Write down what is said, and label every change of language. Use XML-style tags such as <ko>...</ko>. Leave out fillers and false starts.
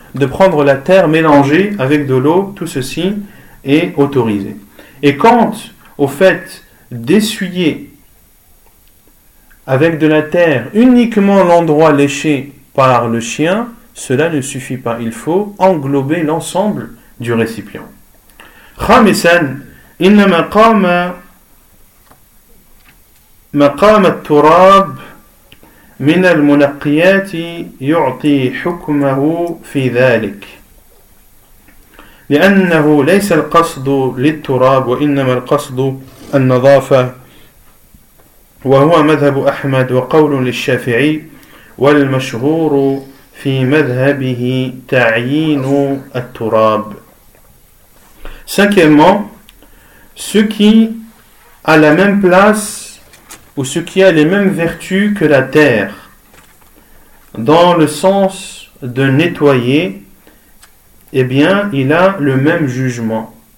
<fr>de prendre la terre mélangée avec de l'eau, tout ceci est autorisé. Et quant au fait d'essuyer avec de la terre uniquement l'endroit léché par le chien, cela ne suffit pas. Il faut englober l'ensemble du récipient.</fr> <ar>Khamisan, innama qama مقام التراب من المنقيات يعطي حكمه في ذلك لأنه ليس القصد للتراب وإنما القصد النظافة وهو مذهب أحمد وقول للشافعي والمشهور في مذهبه تعيين التراب.</ar> <fr>Cinquièmement, ce qui a la même place ou ce qui a les mêmes vertus que la terre, dans le sens de nettoyer, eh bien, il a le même jugement.</fr>